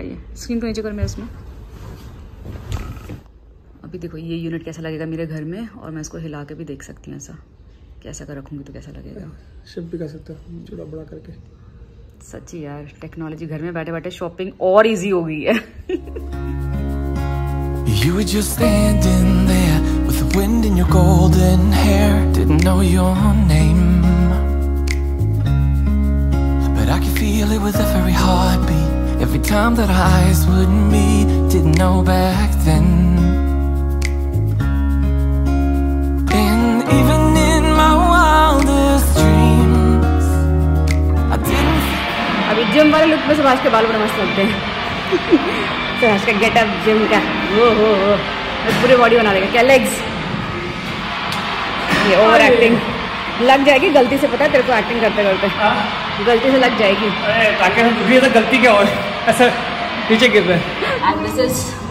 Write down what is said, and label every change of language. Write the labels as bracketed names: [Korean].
[Hindi] ये स्क्रीन को नीचे कर मैं इसमें, अभी देखो ये यूनिट कैसा लगेगा मेरे घर में। और मैं इसको हिला के भी देख सकती हूँ ऐसा, कैसा कर रखूंगी तो कैसा लगेगा। शिफ्ट भी कर सकते हो बड़ा करके। सच्ची यार टेक्नोलॉजी, घर में बैठे बैठे शॉपिंग और इजी हो गई है। [English] You were just standing there with the wind in your golden hair. Didn't know your name, but I could feel it with every heartbeat. Every time that our eyes would meet, didn't know back then. And even in my wildest dreams, I didn't. [Hindi] अभी gym वाले look में सुभाष के बाल बड़े मस्त लगते हैं। सुभाष का गेटअप जिम का, ओहो पूरे बॉडी बना देगा क्या, लेग्स, ये ओवर एक्टिंग लग जाएगी गलती से, पता है तेरे को एक्टिंग करते करते। गलती से लग जाएगी। अरे ताकि हम गलती क्या और ऐसा नीचे गिर रहे